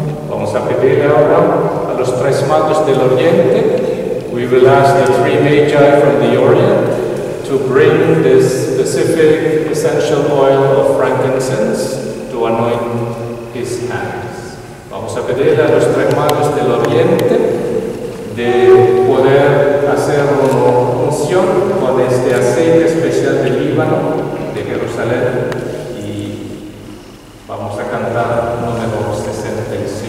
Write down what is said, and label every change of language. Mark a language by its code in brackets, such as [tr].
[es] Vamos a pedir ahora a los tres magos del Oriente. [en] We will ask the three magi from the Orient to bring this specific essential oil of frankincense to anoint his hands. [es] Vamos a pedirle a los tres magos del Oriente de poder hacer una unción con este aceite especial del Líbano, de Jerusalén, y vamos a cantar número 65.